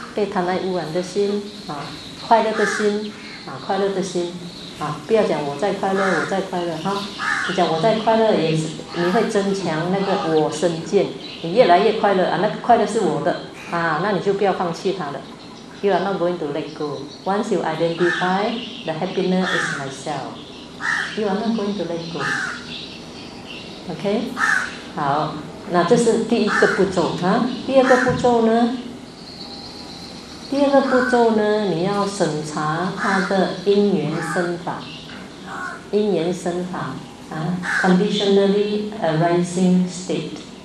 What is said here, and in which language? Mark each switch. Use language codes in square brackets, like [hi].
[zh] 被贪爱污染的心，啊，快乐的心，啊，快乐的心，啊，不要讲我在快乐，我在快乐哈，你讲我在快乐也是，你会增强那个我身见，你越来越快乐啊，那个快乐是我的啊，那你就不要放弃它了。 [en] You are not going to let go. Once you identify the happiness is myself, you are not going to let go. [zh] OK， 好，那这是第一个步骤哈，啊，第二个步骤呢？第二个步骤呢，你要审查它的因缘生法，因缘生法啊 ， [en] conditionally arising state。